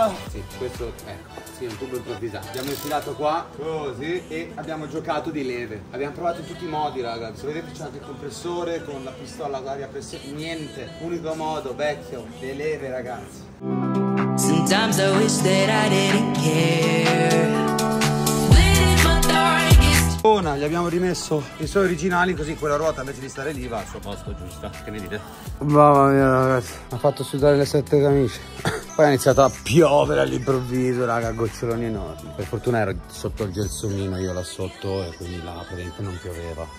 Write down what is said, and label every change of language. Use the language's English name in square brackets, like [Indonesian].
[Italian] Sì, questo, ecco, sì, è un tubo improvvisato. Abbiamo infilato qua così e abbiamo giocato di leve. Abbiamo provato in tutti i modi, raga. Se vedete c'è anche il compressore con la pistola ad aria pressione. Niente, unico modo vecchio, le leve ragazzi. [English] Sometimes I wish that I didn't care. Bleeding my darkest. [Italian] Una. macchina, gli abbiamo rimesso i suoi originali, così quella ruota invece di stare lì va al suo posto, giusta? Che ne dite? Mamma mia, ragazzi, mi ha fatto sudare le sette camicie. Poi è iniziato a piovere all'improvviso, raga, goccioloni enormi. Per fortuna ero sotto il gelsomino io là sotto, e quindi là praticamente non pioveva.